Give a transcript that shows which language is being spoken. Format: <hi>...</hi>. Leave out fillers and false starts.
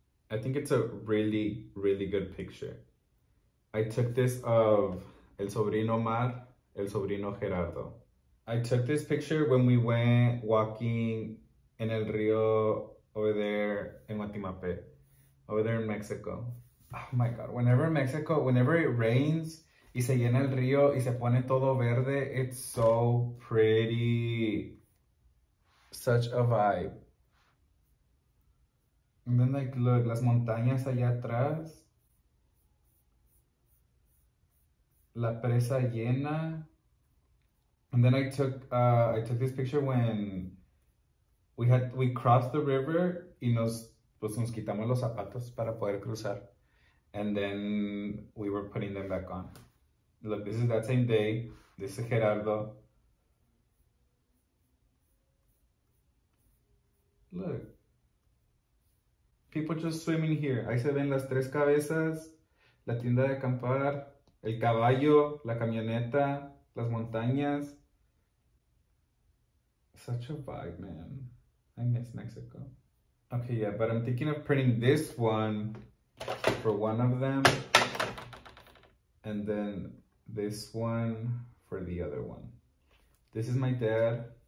<en>I think it's a really, really good picture. I took this of El Sobrino Mar, El Sobrino Gerardo. I took this picture when we went walking in El Rio over there in Guatimape, over there in Mexico. Oh my God, whenever it rains,</en> <es>Y se llena el río y se pone todo verde.</es> <en>It's so pretty. Such a vibe. And then, like, look,</en> <es>las montañas allá atrás. La presa llena.</es> <en>And then I took this picture when we crossed the river</en> <es>y nos quitamos los zapatos para poder cruzar.</es> <en>And then we were putting them back on. Look, this is that same day. This is Gerardo. Look. People just swimming here.</en> <es>Ahí se ven las tres cabezas, la tienda de acampar, el caballo, la camioneta, las montañas.</es> <en>Such a vibe, man. I miss Mexico. Okay, yeah, but I'm thinking of printing this one for one of them. And then this one for the other one. This is my dad.</en>